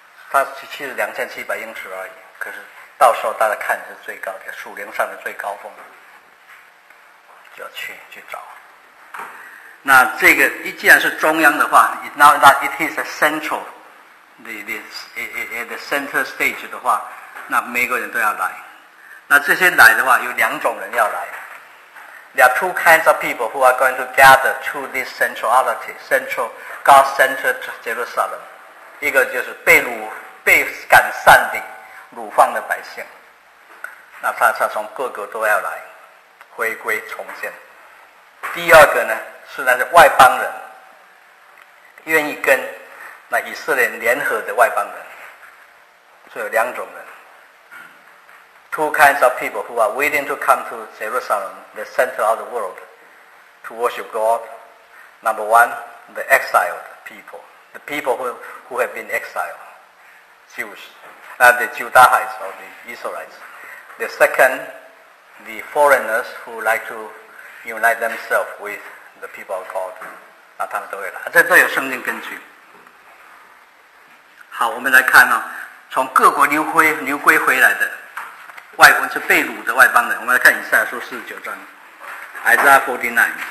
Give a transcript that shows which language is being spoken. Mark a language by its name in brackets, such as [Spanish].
[Chinese] 它其实2700英尺而已，可是到时候大家看是最高的树林上的最高峰，就要去找。那这个一既然是中央的话 ， [English] now that it is a central, the center stage [Chinese] 的话，那每个人都要来。那这些来的话，有两种人要来。 [English] There are two kinds of people who are going to gather to this centrality, central God centered Jerusalem. [Chinese] 一个就是被赶散的掳放的百姓，那他从各个都要来回归重建。第二个呢，是那些外邦人愿意跟那以色列联合的外邦人，所以有两种人。 [English] Two kinds of people who are willing to come to Jerusalem, the center of the world, to worship God. Number one, the exiled people, the people who have been exiled, Jews, and the Judahites or the Israelites. The second, the foreigners who like to unite themselves with the people of God. [Chinese] 那他们都会来，这都有圣经根据。好，我们来看啊，从各国流归回来的。外邦是被掳的外邦人，我们来看以赛亚书49章 Isaiah 49。